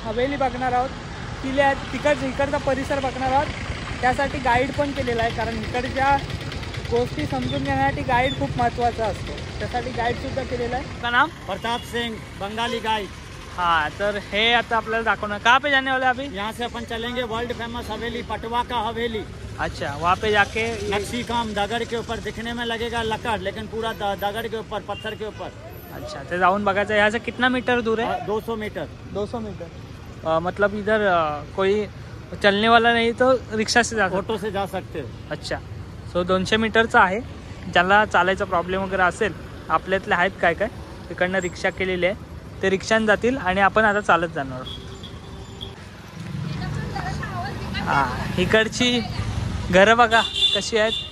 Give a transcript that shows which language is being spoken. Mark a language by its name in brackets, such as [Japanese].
[Marathi] हवेली बघणार आहोत, किल्ल्या इकडचा परिसर बघणार आहोत. त्यासाठी गाईड पण केलेला आहे, कारण इकडच्या गोष्टी समजून घेण्यासाठी गाईड खूप महत्त्वाचा असतो. त्यासाठी गाईडसुद्धा केलेला आहे. [Hindi] का नाम प्रताप सिंग, बंगाली गाईड. [Marathi] हां, तर हे आता आपल्याला दाखवणार. [Hindi] कहाँ पे जाने वाले अभी? यहाँ से अपन चलेंगे वर्ल्ड फेमस हवेली, पटवा का हवेली. अच्छा, वहाँ पे जाके नक्शी काम दगड़ के ऊपर, दिखने में लगेगा लकड़ लेकिन पूरा दगड़ के ऊपर, पत्थर के ऊपर. [Marathi] अच्छा, तो जाऊन बघायचं. [Hindi] यहाँ से कितना मीटर दूर है? 200 मीटर. 200 मीटर मतलब इधर कोई चलने वाला नहीं तो रिक्शा से जा सकते? ऑटो से जा सकते. [Marathi] अच्छा, सो 200 मीटरचा आहे. ज्याला चालायचा प्रॉब्लेम वगैरे असेल, आपल्यातले आहेत काय काय इकडनं रिक्षा केलेली आहे, ते रिक्षान जातील आणि आपण आता चालत जाणार. हां, इकडची घरं बघा कशी आहेत.